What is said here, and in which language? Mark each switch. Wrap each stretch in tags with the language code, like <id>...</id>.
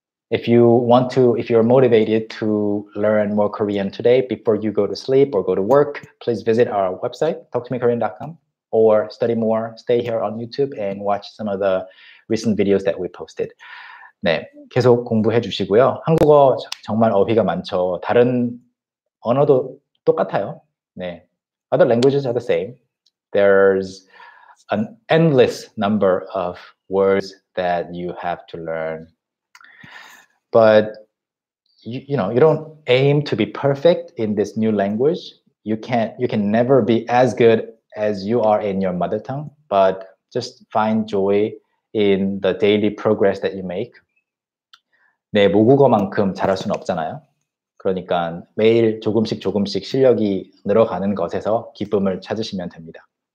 <en>If you're motivated to learn more Korean today before you go to sleep or go to work, please visit our website, talktomekorean.com, or study more, stay here on YouTube and watch some of the recent videos that we posted.</en> <ko>네, 계속 공부해 주시고요. 한국어 정말 어휘가 많죠. 다른 언어도 똑같아요. 네,</ko> <en>other languages are the same. There's an endless number of words that you have to learn. But you don't aim to be perfect in this new language. You can never be as good as you are in your mother tongue. But just find joy in the daily progress that you make.</en> <ko>네, 모국어만큼 잘할 수는 없잖아요. 그러니까 매일 조금씩 조금씩 실력이 늘어가는 것에서 기쁨을 찾으시면 됩니다.</ko>